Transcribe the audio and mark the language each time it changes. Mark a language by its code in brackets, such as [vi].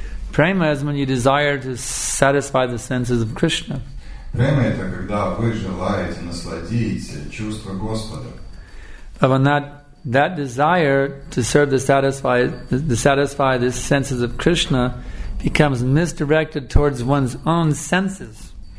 [en] Prema is when you desire to satisfy the senses of Krishna. [ru] Prema — это когда вы желаете насладить чувства Господа. [en] But when that desire to serve to satisfy the senses of Krishna becomes misdirected towards one's own senses.